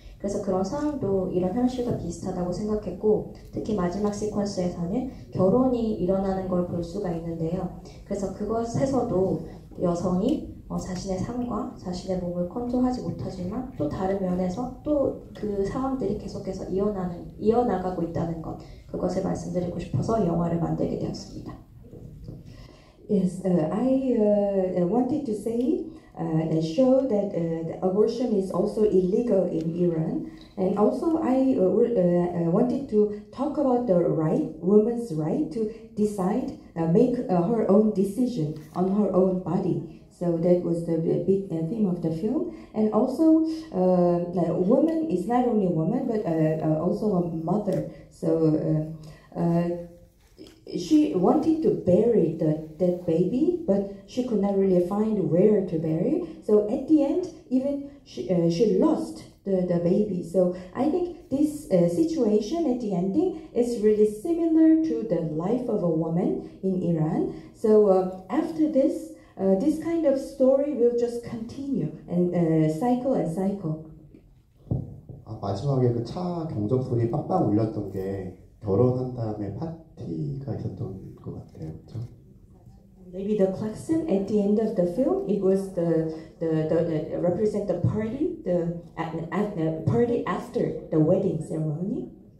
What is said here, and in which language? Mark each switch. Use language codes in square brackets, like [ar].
[ko] 그래서 그런 상황도 이런 현실과 비슷하다고 생각했고, 특히 마지막 시퀀스에서는 결혼이 일어나는 걸 볼 수가 있는데요. 그래서 그것에서도 여성이 자신의 삶과 자신의 몸을 컨트롤하지 못하지만 또 다른 면에서 또 그 상황들이 계속해서 이어나가고 있다는 것, 그것을 말씀드리고 싶어서 영화를 만들게 되었습니다. [en] Yes, I wanted to say and show that abortion is also illegal in Iran. And also I wanted to talk about the right, woman's right to decide, make her own decision on her own body. So that was the big theme of the film. And also, a woman is not only a woman, but also a mother. So she wanted to bury that baby, but she could not really find where to bury. So at the end, even she lost the baby. So I think this situation at the ending is really similar to the life of a woman in Iran. So after this, this kind of story will just continue and cycle and cycle. [ko] 아, 마지막에 그 차 경적 소리 빡빡 울렸던 게 결혼한 다음에 파티가 있었던 것 같아요. 그렇죠? [en] Maybe the klaxon at the end of the film, it was the represent the party, the party after the wedding ceremony.